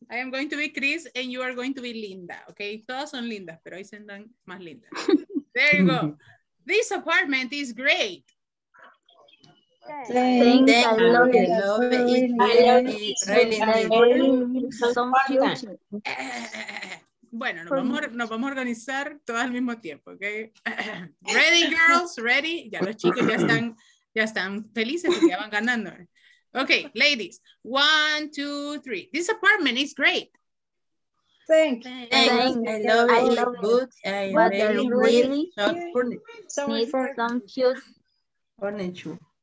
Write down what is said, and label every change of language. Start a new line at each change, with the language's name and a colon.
English: I am going to be Chris and you are going to be Linda.
Spanish: Okay, todas son lindas, pero hoy se andan más lindas.
English: There you go. This apartment is great.
Spanish: Bueno, nos vamos a organizar todos al mismo tiempo, okay?
English: Ready, girls, ready.
Spanish: Ya los chicos ya están felices porque ya van ganando.
English: Okay, ladies. 1, 2, 3. This apartment is great. Thanks. I love it. I really need some cute furniture.